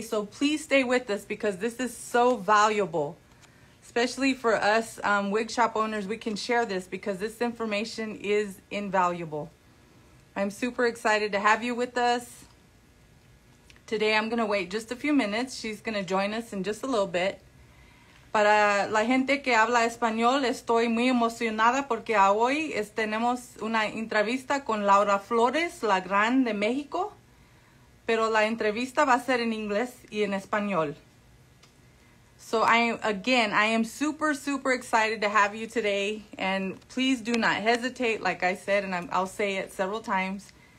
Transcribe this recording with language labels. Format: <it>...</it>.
<en>So please stay with us, because this is so valuable, especially for us wig shop owners. We can share this, because this information is invaluable. I'm super excited to have you with us today. I'm going to wait just a few minutes. She's going to join us in just a little bit.</en> <es>Para la gente que habla español, estoy muy emocionada porque hoy tenemos una entrevista con Laura Flores, la gran de México. Pero la entrevista va a ser en inglés y en español.</es> <en>So I am super, super excited to have you today. And please do not hesitate, like I said, and I'll say it several times.</en>